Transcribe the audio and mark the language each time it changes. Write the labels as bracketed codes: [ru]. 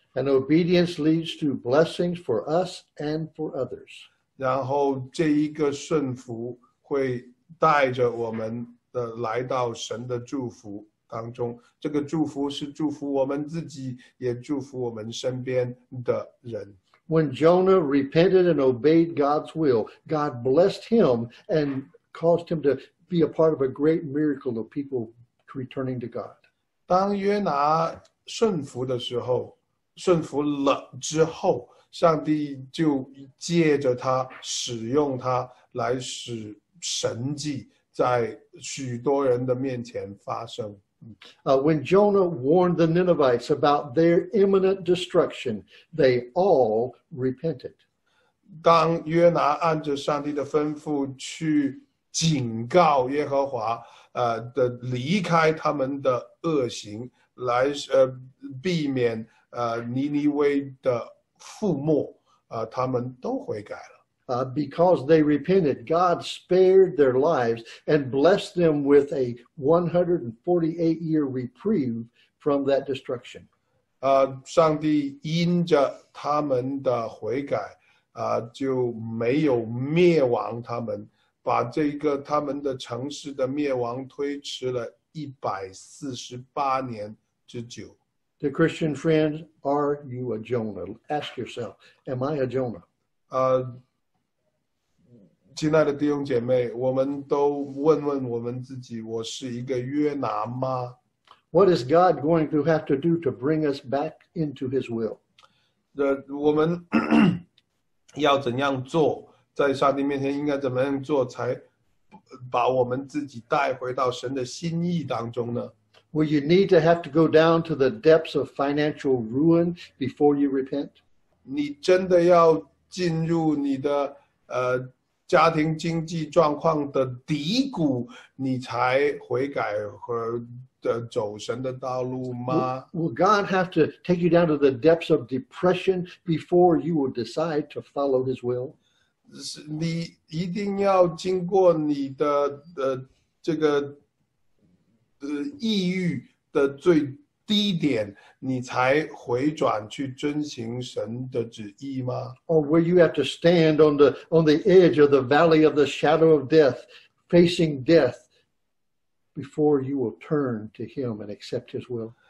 [en] And obedience leads to blessings for us and for others. [zh] 然后这一个顺服会带着我们来到神的祝福当中，这个祝福是祝福我们自己，也祝福我们身边的人。 [en] When Jonah repented and obeyed God's will, God blessed him and caused him to be a part of a great miracle of people returning to God. [zh] 当约拿顺服的时候，顺服了之后，上帝就借着他，使用他来使神迹在许多人的面前发生。 [en] When Jonah warned the Ninevites about their imminent destruction, they all repented. [zh] 当约拿按着上帝的吩咐去警告耶和华，的离开他们的恶行，来避免尼尼微的覆没，他们都悔改了。 [en] Because they repented, God spared their lives and blessed them with a 148-year reprieve from that destruction. [zh] 上帝因着他们的悔改，就没有灭亡他们，把这个他们的城市的灭亡推迟了148年之久。 [en] Dear Christian friends, are you a Jonah? Ask yourself, am I a Jonah? [zh] 亲爱的弟兄姐妹，我们都问问我们自己，我是一个约拿吗？ [en] What is God going to have to do to bring us back into his will? [zh] 我们要怎样做，在上帝面前应该怎么样做，才把我们自己带回到神的心意当中呢？ [en] Will you need to have to go down to the depths of financial ruin before you repent? [zh] 你真的要进入你的家庭经济状况的低谷，你才悔改和走神的道路吗？ [en] Will God have to take you down to the depths of depression before you will decide to follow his will? [zh] 你一定要经过你的这个抑郁的最低点，你才回转去遵行神的旨意吗？ [en] Or will you have to stand on the edge of the valley of the shadow of death, facing death, before you will turn to him and accept his will?